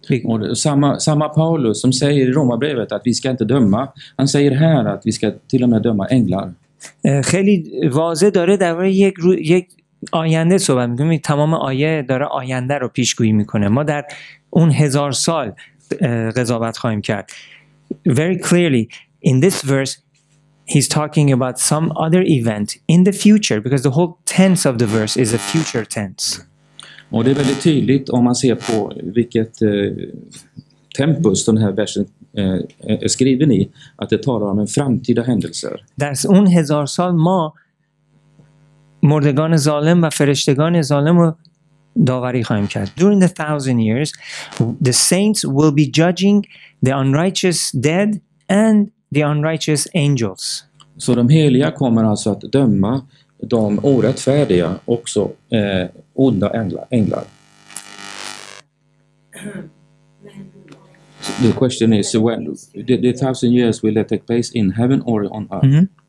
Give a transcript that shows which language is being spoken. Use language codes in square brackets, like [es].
[sv] Och samma Paulus som säger i Romarbrevet att vi ska inte döma. Han säger här att vi ska till och med döma änglar. [fa] خیلی واضح داره در واقع یک آینده صحبت میکنه. تمام آیه داره آینده رو پیشگویی میکنه. ما در اون هزار سال قضاوت خواهیم کرد. [en] Very clearly in this verse he's talking about some other event in the future because the whole tense of the verse is a future tense. [sv] Och det är väldigt tydligt om man ser på vilket tempus den här versen är skriven i att det talar om en framtida händelse. [fa] Där un hezar sal ma مردگان ظالم و فرشتگان ظالم رو داوری خواهیم کرد. [en] During the 1000 years, the saints will be judging the unrighteous dead and the unrighteous angels. [sv] Så de heliga kommer alltså att döma de orättfärdiga också onda änglar. [en] The question is, so when the 1000 years will that take place in heaven or on earth?